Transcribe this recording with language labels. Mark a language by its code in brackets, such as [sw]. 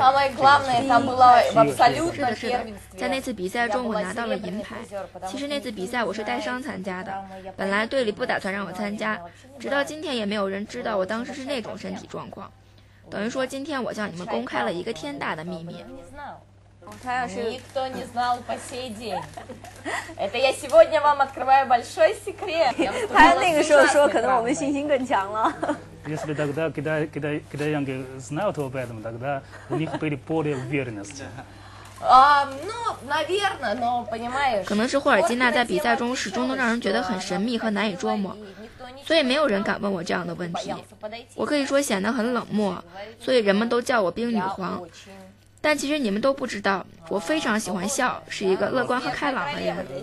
[zh] 是的，在那次比赛中我拿到了银牌。其实那次比赛我是带伤参加的，本来队里不打算让我参加，直到今天也没有人知道我当时是那种身体状况。等于说今天我向你们公开了一个天大的秘密。 [ru] Никто не знал по сей день. Это я сегодня вам открываю большой секрет. [zh] 他那个时候说，可能我们信心更强了。 [ru] Если тогда, когда я знал об этом, тогда у них были более уверенности. Ну, наверное, но понимаешь. [zh] 可能是霍尔金娜在比赛中始终都让人觉得很神秘和难以捉摸。所以没有人敢问我这样的问题。我可以说显得很冷漠，所以人们都叫我冰女皇。但其实你们都不知道，我非常喜欢笑，是一个乐观和开朗的人。